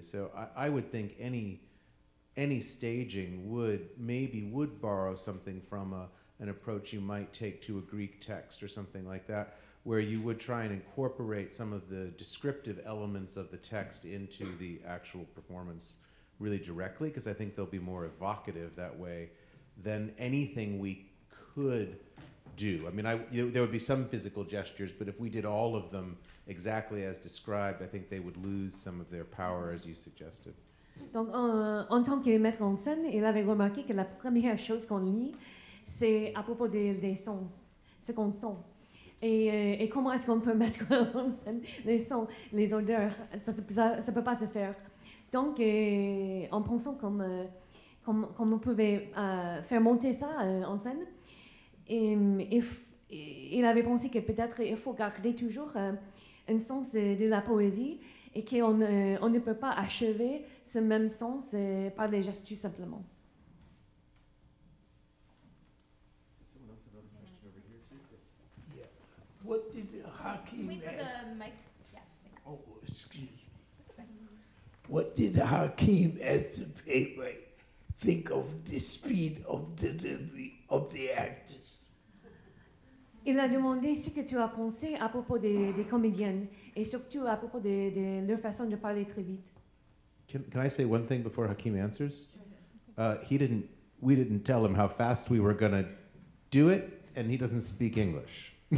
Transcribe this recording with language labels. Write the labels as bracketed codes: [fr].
[en] So I would think any staging would borrow something from an approach you might take to a Greek text or something like that, where you would try and incorporate some of the descriptive elements of the text into the actual performance really directly, because I think they'll be more evocative that way than anything we could do. I mean, there would be some physical gestures, but if we did all of them exactly as described, I think they would lose some of their power, as you suggested. [fr] Donc, en tant que maître en scène, il avait remarqué que la première chose qu'on lit, c'est à propos des sons, ce qu'on sent. Et comment est-ce qu'on peut mettre en scène les sons, les odeurs? Ça ne peut pas se faire. Donc, en pensant comme on pouvait faire monter ça en scène, il avait pensé que peut-être il faut garder toujours un sens de la poésie et qu'on on ne peut pas achever ce même sens par les gestes, tout simplement. [en] What did Hakim wait for the mic? Yeah. Oh, excuse me. What did Hakim, as the playwright, think of the speed of delivery of the actors? [fr] Il a demandé ce que tu as pensé à propos des comédiennes et surtout à propos de leur façon de parler très vite. [en] Can I say one thing before Hakim answers? We didn't tell him how fast we were gonna do it, and he doesn't speak English.